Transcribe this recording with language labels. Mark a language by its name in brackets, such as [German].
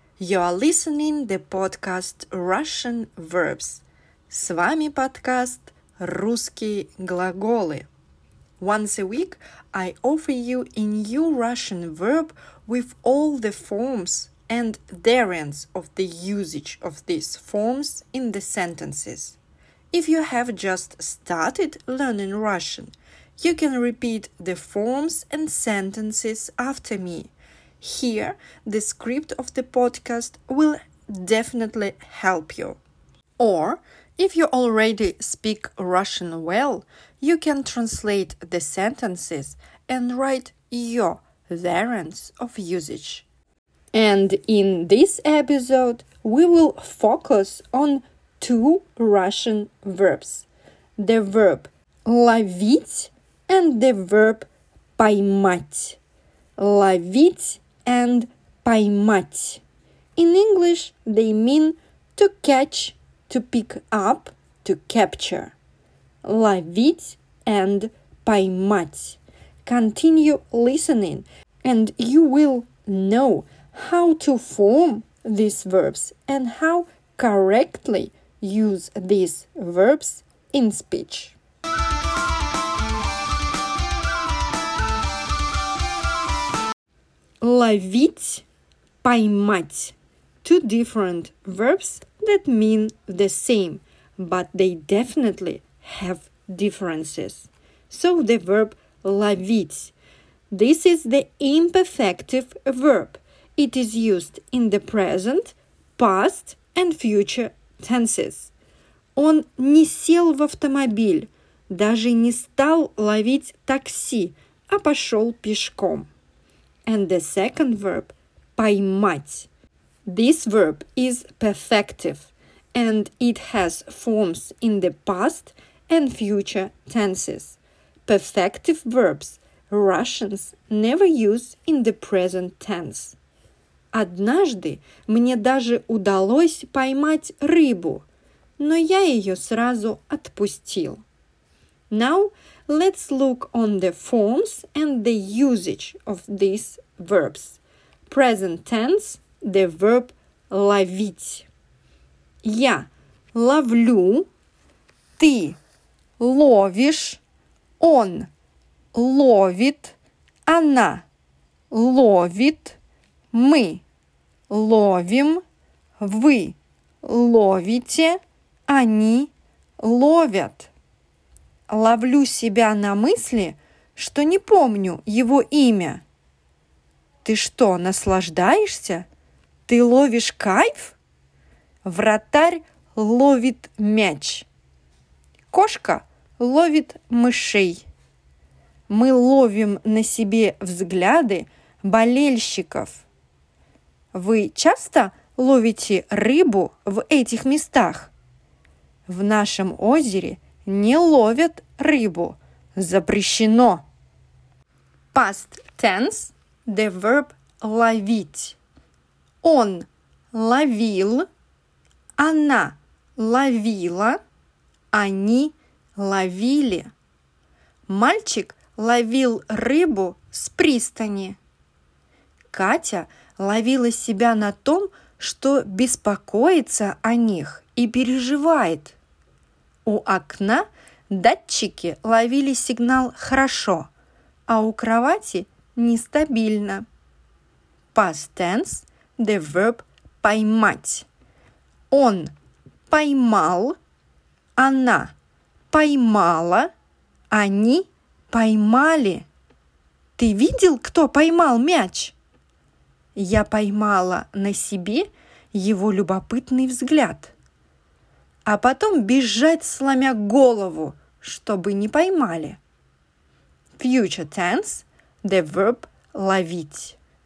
[English] You are listening to the podcast Russian Verbs. [Russian] С вами подкаст «Русские глаголы». [English] Once a week, I offer you a new Russian verb with all the forms and variants of the usage of these forms in the sentences. If you have just started learning Russian, you can repeat the forms and sentences after me. Here, the script of the podcast will definitely help you. Or, if you already speak Russian well, you can translate the sentences and write your variants of usage. And in this episode, we will focus on two Russian verbs. The verb ловить and the verb поймать. [Russian] Ловить and поймать. [English] In English, they mean to catch, to pick up, to capture. [Russian] Ловить and поймать. [English] Continue listening, and you will know how to form these verbs and how correctly use these verbs in speech. [Russian] Ловить, поймать. [English] Two different verbs that mean the same, but they definitely have differences. So the verb ловить. This is the imperfective verb. It is used in the present, past and future tenses. [Russian] Он не сел в автомобиль, даже не стал ловить такси, а пошел пешком. [English] And the second verb, поймать. This verb is perfective, and it has forms in the past and future tenses. Perfective verbs Russians never use in the present tense. [Russian] Однажды мне даже удалось поймать рыбу, но я ее сразу отпустил. [English] Now, let's look on the forms and the usage of these verbs. Present tense, the verb ловить. [Russian] Я ловлю, ты ловишь, он ловит, она ловит, мы ловим, вы ловите, они ловят. Ловлю себя на мысли, что не помню его имя. Ты что, наслаждаешься? Ты ловишь кайф? Вратарь ловит мяч. Кошка ловит мышей. Мы ловим на себе взгляды болельщиков. Вы часто ловите рыбу в этих местах? В нашем озере не ловят рыбу. Запрещено. [English] Past tense, the verb ловить. [Russian] Он ловил, она ловила, они ловили. Мальчик ловил рыбу с пристани. Катя ловила себя на том, что беспокоится о них и переживает. У окна датчики ловили сигнал хорошо, а у кровати нестабильно. [English] Past tense, the verb поймать. [Russian] Он поймал, она поймала, они поймали. Ты видел, кто поймал мяч? Я поймала на себе его любопытный взгляд. А потом бежать, сломя голову, чтобы не поймали. [English] Future tense, the verb ловить.